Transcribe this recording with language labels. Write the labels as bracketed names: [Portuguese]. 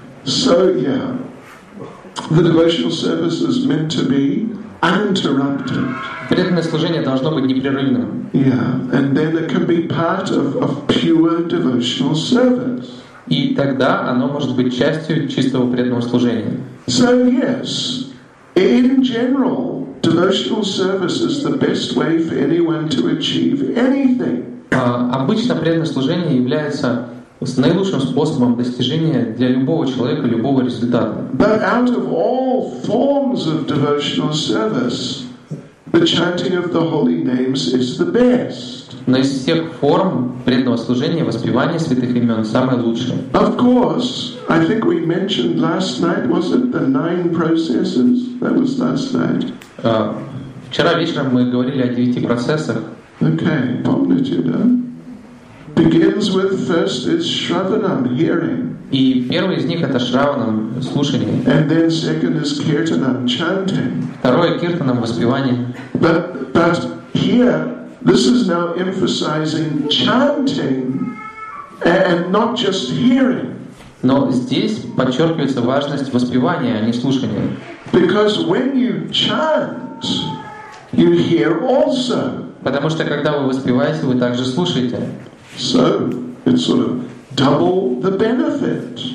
[English] So yeah, the devotional service is meant to be uninterrupted. [Russian] Преданное служение должно быть непрерывным. [English] Yeah, and then it can be part of pure devotional service. [Russian] И тогда оно может быть частью чистого преданного служения. [English] So yes, in general, devotional service is the best way for anyone to achieve anything. [Russian] Обычно преданное служение является наилучшим способом достижения для любого человека любого результата. [English] But out of all forms of devotional service, the chanting of the holy names is the best. [Russian] Но из всех форм преданного служения воспевание святых имен самое лучшее. [English] Of course, I think we mentioned last night, was it the nine processes? That was last night. [Russian] Вчера вечером мы говорили о девяти процессах. [English] Okay, помните, да? Begins with first is shravanam, hearing. [Russian] И первый из них это шраванам, слушание. [English] And then second is kirtanam, chanting. [Russian] Второе киртанам, воспевание. [English] But here, this is now emphasizing chanting and not just hearing. [Russian] Но здесь подчеркивается важность воспевания, а не слушания. [English] Because when you chant, you hear also. [Russian] Потому что когда вы воспеваете, вы также слушаете. [English] So, it's sort of double the benefit.